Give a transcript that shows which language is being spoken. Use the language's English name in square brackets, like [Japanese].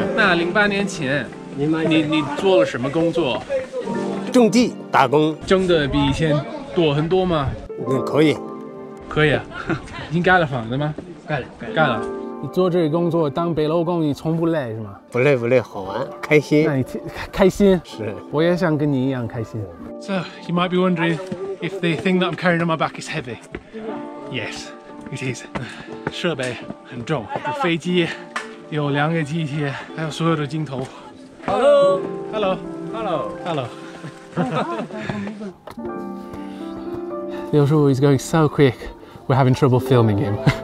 [Chinese] 那2008年前你做了什么工作？种地打工。挣的比以前多很多吗？嗯，可以。可以啊。你盖了房子吗？盖了。盖了。你做这个工作当背篓工，你从不累是吗？不累不累，好玩，开心。那你开心？是。我也想跟你一样开心。 [English] So you might be wondering if the thing that I'm carrying on my back is heavy. Yes, It is. [Chinese] 设备很重，飞机有两个机器，还有所有的镜头。 [English] Hello. Hello. Hello. Hello. Liu Shu is going so quick. We're having trouble filming him.